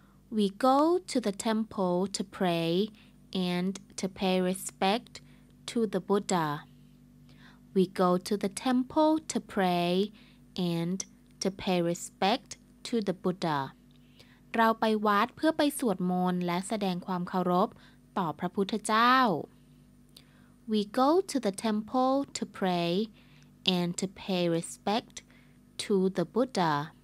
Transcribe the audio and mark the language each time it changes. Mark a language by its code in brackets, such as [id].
[en] We go to the temple to pray and to pay respect to the Buddha. We go to the temple to pray and to pay respect to the Buddha. [th] เราไปวัดเพื่อไปสวดมนต์และแสดงความเคารพต่อพระพุทธเจ้า [en] We go to the temple to pray and to pay respect to the Buddha.